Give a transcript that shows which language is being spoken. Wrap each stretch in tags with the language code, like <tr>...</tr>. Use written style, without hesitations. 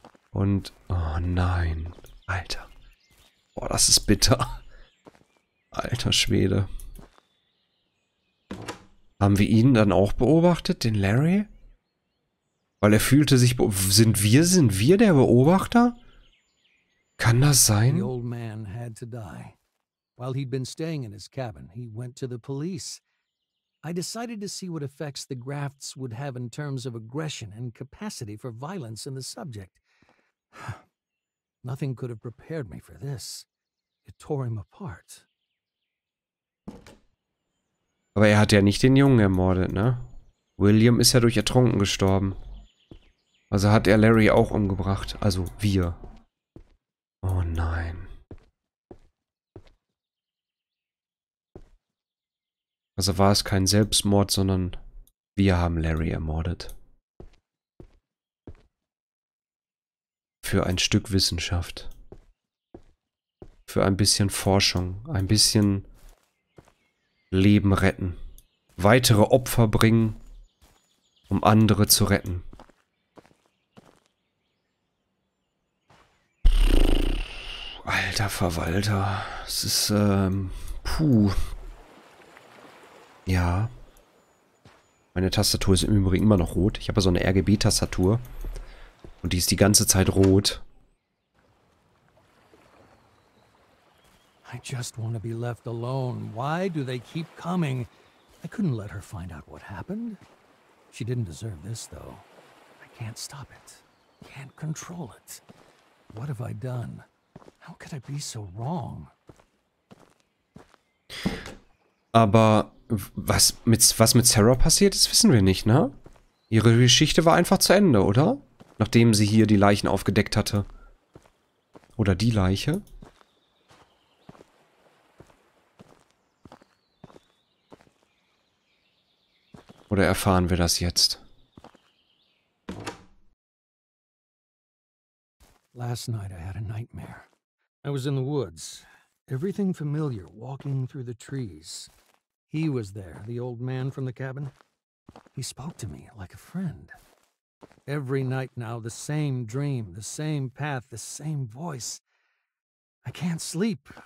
<de>Und, oh nein, Alter. Boah, das ist bitter. Alter Schwede. Haben wir ihn dann auch beobachtet, den Larry? Weil er fühlte sich, sind wir der Beobachter? Kann das sein?</de> <en>The old man had to die. While he'd been staying in his cabin, he went to the police. I decided to see what effects the grafts would have in terms of aggression and capacity for violence in the subject. Nothing could have prepared me for this. It tore him apart.</en> <de>Aber er hat ja nicht den Jungen ermordet, ne? William ist ja durch Ertrunken gestorben. Also hat er Larry auch umgebracht. Also wir. Oh nein. Also war es kein Selbstmord, sondern wir haben Larry ermordet. Für ein Stück Wissenschaft. Für ein bisschen Forschung. Ein bisschen Leben retten. Weitere Opfer bringen, um andere zu retten. Alter Verwalter, es ist, puh. Ja. Meine Tastatur ist im Übrigen immer noch rot. Ich habe so eine RGB-Tastatur. Und die ist die ganze Zeit rot.</de> <en>I just want to be left alone. Why do they keep coming? I couldn't let her find out what happened. She didn't deserve this, though. I can't stop it. Can't control it. What have I done? How could I be so wrong?</en> <de>Aber was mit Sarah passiert ist, wissen wir nicht, ne? Ihre Geschichte war einfach zu Ende, oder? Nachdem sie hier die Leichen aufgedeckt hatte. Oder die Leiche. Oder erfahren wir das jetzt?</de> <en>Last night I had a nightmare. I was in the woods. Everything familiar, walking through the trees. He was there, the old man from the cabin. He spoke to me like a friend. Every night now, the same dream, the same path, the same voice. I can't sleep.</en>